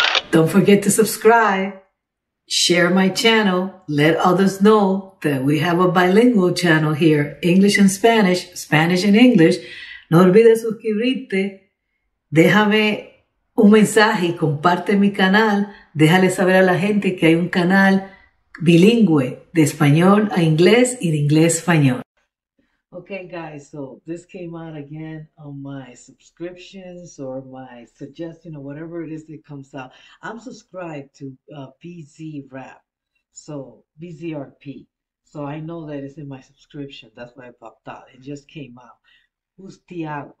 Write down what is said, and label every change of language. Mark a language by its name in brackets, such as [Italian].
[English] Don't forget to subscribe, share my channel, let others know that we have a bilingual channel here, English and Spanish, Spanish and English. [Spanish] No olvides suscribirte, déjame un mensaje y comparte mi canal. Déjale saber a la gente que hay un canal bilingüe de español a inglés y de inglés a español. [English] Okay, guys, so this came out again on my subscriptions or my suggestion or whatever it is that comes out. I'm subscribed to VZRap, so VZRP. So I know that it's in my subscription. That's why I popped out. It just came out. Who's Tiago?